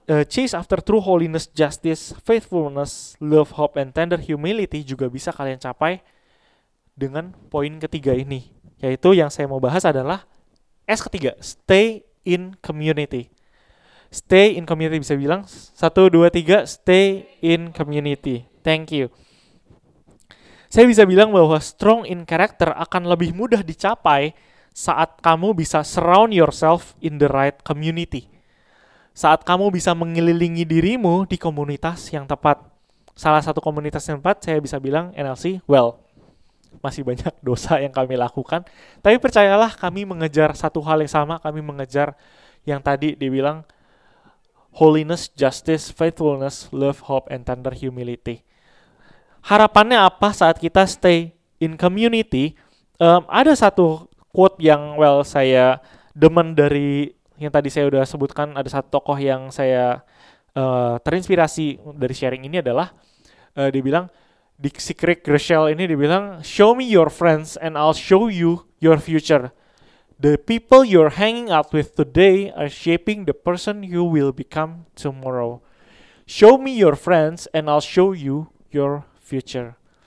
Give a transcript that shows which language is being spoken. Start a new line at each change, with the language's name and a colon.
English: Chase after true holiness, justice, faithfulness, love, hope, and tender humility
Indonesian: juga bisa kalian capai dengan poin ketiga ini. Yaitu yang saya mau bahas adalah S ketiga,
English: stay in community. Stay in community,
Indonesian: bisa bilang
English: 1, 2, 3, stay in community. Thank you.
Indonesian: Saya bisa bilang bahwa
English: strong in character
Indonesian: akan lebih mudah dicapai saat kamu bisa
English: surround yourself in the right community.
Indonesian: Saat kamu bisa mengelilingi dirimu di komunitas yang tepat. Salah satu komunitas yang tepat, saya bisa bilang NLC, well, masih banyak dosa yang kami lakukan. Tapi percayalah, kami mengejar satu hal yang sama, kami mengejar yang tadi dibilang
English: holiness, justice, faithfulness, love, hope, and tender humility.
Indonesian: Harapannya apa saat kita
English: stay in community?
Indonesian: Ada satu quote yang saya demen dari yang tadi saya udah sebutkan, ada satu tokoh yang saya terinspirasi dari sharing ini adalah dibilang Dixie Craig Groeschel ini dibilang
English: show me your friends and I'll show you your future. The people you're hanging out with today are shaping the person you will become tomorrow. Show me your friends and I'll show you your future.